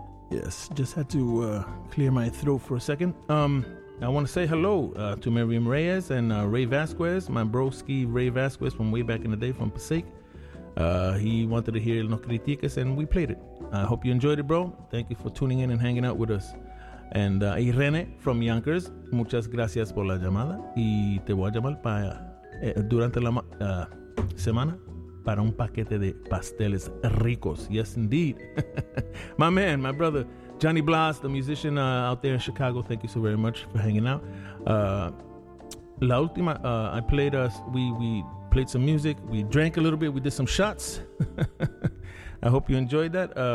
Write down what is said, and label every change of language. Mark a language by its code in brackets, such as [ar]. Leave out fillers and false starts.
[en] Yes, just had to clear my throat for a second. I want to say hello to Miriam Reyes and Ray Vazquez, my broski Ray Vazquez from way back in the day from Passaic. He wanted to hear No Criticas, and we played it. I hope you enjoyed it, bro. Thank you for tuning in and hanging out with us. And Irene from Yonkers, [es] muchas gracias por la llamada. Y te voy a llamar para, durante la semana para un paquete de pasteles ricos. [en] Yes, indeed. My man, my brother, Johnny Blas, the musician out there in Chicago. Thank you so very much for hanging out. [es] La última, [en] I played us, we played some music. We drank a little bit. We did some shots. I hope you enjoyed that.